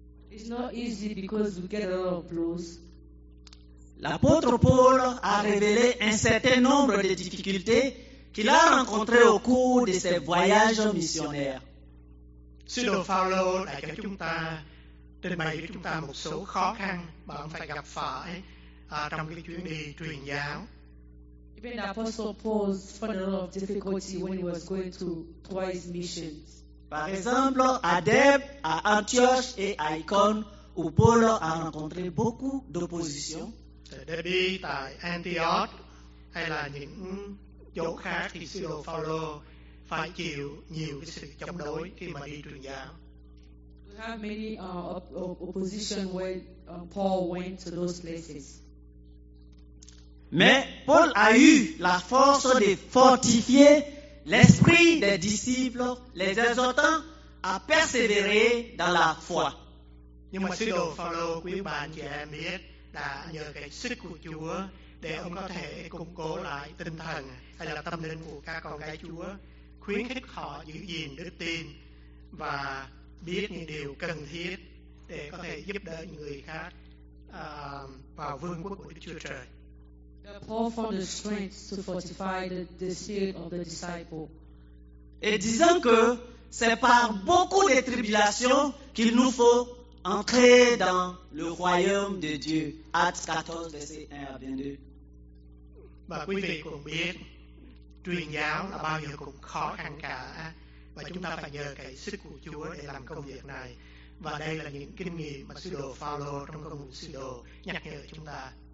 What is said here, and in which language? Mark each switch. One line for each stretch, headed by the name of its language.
English: It's not easy because we get a lot of blows.
French: L'apôtre Paul a révélé un certain nombre de difficultés qu'il a rencontrées au cours de ses voyages missionnaires.
Vietnamese: Sau đó, Phaolô đã cho chúng ta trình bày với chúng ta một số khó khăn mà ông phải gặp phải trong cái chuyến đi truyền giáo.
English: Even the Apostle Paul found a lot of difficulty when he was going to his mission.
French: Par exemple, à Derbe, à Antioche et à Icône, où Paul a rencontré beaucoup d'opposition.
Vietnamese: Derbe, tại Antioche, hay là những chỗ khác thì sư đồ Phaolô phải chịu nhiều cái sự chống đối khi mà đi truyền giáo.
English: We have many opposition when Paul went to those places.
French: Mais Paul a eu la force de fortifier l'esprit des disciples, les exhortant à persévérer dans la foi.
Vietnamese: Nhưng mà sư đồ Phaolô, quý bà chị em biết, đã nhờ cái sức của Chúa để ông có thể củng cố lại tinh thần hay là tâm linh của các con gái Chúa, khuyến khích họ giữ gìn đức tin và biết những điều cần thiết để có thể giúp đỡ những người khác vào vương quốc của Đức Chúa Trời.
English: Paul found the strength to fortify the spirit of the disciple.
French: Et disant que c'est par beaucoup de tribulations qu'il nous faut entrer dans le royaume de Dieu. Actes 14, verset 1 à 22.
Vietnamese: Và quý vị cũng biết, truyền giáo là bao giờ cũng khó khăn cả. Và chúng ta phải nhờ cái sức của Chúa để làm công việc này. Và đây là những kinh nghiệm mà sư đồ Phaolô trong công vụ sư đồ nhắc nhở chúng ta.